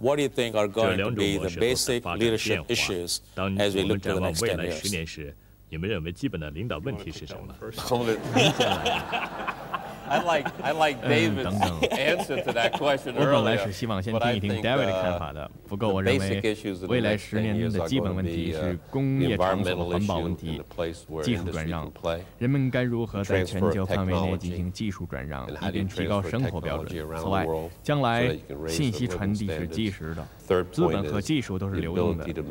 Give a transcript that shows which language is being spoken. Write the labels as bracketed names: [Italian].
[Chinese] 这两种模式都在发展变化。当我们展望未来10年时，你们认为基本的领导问题是什么？从领导来 [English] I like David's answer to that question earlier. [Chinese] 我本来是希望先听一听 David 的看法的，不过我认为未来十年的基本问题是工业场所的环保问题、技术转让。人们该如何在全球范围内进行技术转让，以便提高生活标准？此外，将来信息传递是即时的，资本和技术都是流动的。